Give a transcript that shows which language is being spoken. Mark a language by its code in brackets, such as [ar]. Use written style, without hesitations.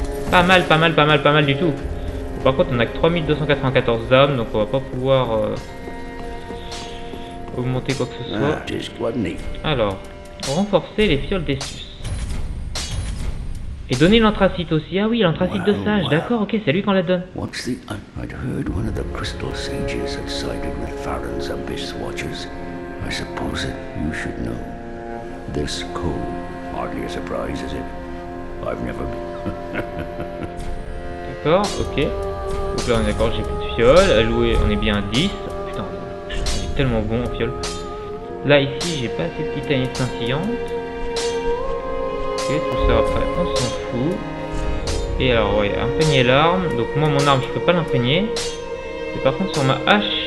[fr] Pas mal, pas mal, pas mal, pas mal du tout. Par contre, on a que 3294 d'âmes, donc on va pas pouvoir. Augmenter quoi que ce soit. Alors, renforcer les fioles d'estus. Et donner l'anthracite aussi. Ah oui, l'anthracite de sage. D'accord, ok, c'est lui qu'on la donne. [en] I'd heard one of the crystal sages had sided with Farron's abyss watchers. I suppose that you should know. This cold, hardly a surprise, is it? I've never been. [fr] D'accord, ok. Donc là, on est d'accord, j'ai plus de fioles. À louer, on est bien à 10. Tellement bon en fiole. Là, ici, j'ai pas assez de titanite scintillante. Ok, tout ça après, on s'en fout. Et alors, ouais, imprégner l'arme. Donc, moi, mon arme, je peux pas l'imprégner. Et par contre, sur ma hache.